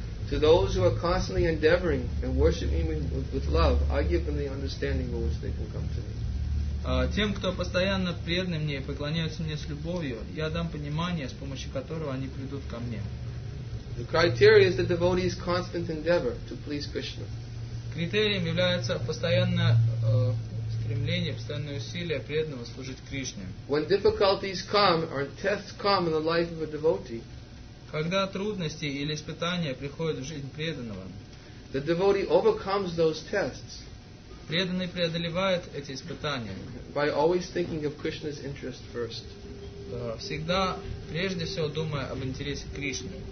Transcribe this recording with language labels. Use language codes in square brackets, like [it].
[en] To those who are constantly endeavoring and worshiping me with love, I give them the understanding by which they can come to me. [ru] Тем, кто постоянно преданы мне и поклоняются мне с любовью, я дам понимание, с помощью которого они придут ко мне. [en] The criteria is the devotee's constant endeavor to please Krishna. [ru] Критерием является постоянное стремление, постоянное усилие преданного служить Кришне. [en] When difficulties come or tests come in the life of a devotee, [ru] когда трудности или испытания приходят в жизнь преданного, [en] the devotee overcomes those tests. [ru] Преданный преодолевает эти испытания. [en] By always thinking of Krishna's interest first. [ru] Всегда прежде всего думая об интересе Кришны.